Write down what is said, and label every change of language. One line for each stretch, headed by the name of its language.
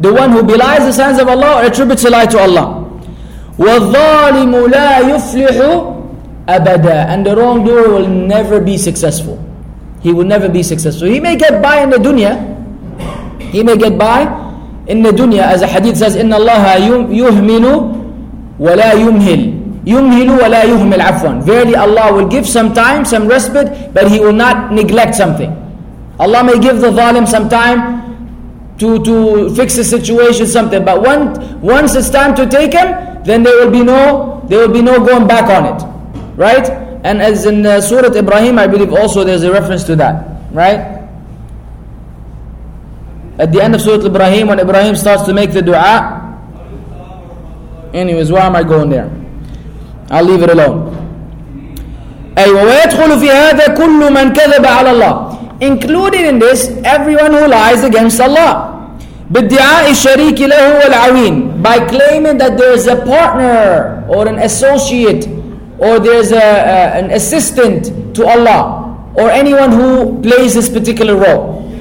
English: The one who belies the signs of Allah or attributes a lie to Allah.
Arabic: وَالظَّالِمُ لَا يُفْلِحُ أَبَدًا.
English: And the wrongdoer will never be successful. He will never be successful. He may get by in the dunya. He may get by in the dunya. As a hadith says,
Arabic: إِنَّ اللَّهَ يُهْمِنُ وَلَا يُمْهِلُ. يُمْهِلُ وَلَا يُهْمِلْ عَفْوًا.
English: Verily Allah will give some time, some respite, but He will not neglect something. Allah may give the zalim some time to fix the situation, something. But once it's time to take him, then there will be no going back on it. Right? And as in Surah Ibrahim, I believe also there's a reference to that. Right? At the end of Surah Ibrahim, when Ibrahim starts to make the dua. Anyways, why am I going there? I'll leave it alone.
Arabic: أيوة ويدخل في هذا كل من كذب على الله.
English: Included in this, everyone who lies against Allah.
Arabic: بالدعاء الشريك له والعوين.
English: By claiming that there is a partner or an associate or there is an assistant to Allah or anyone who plays this particular role.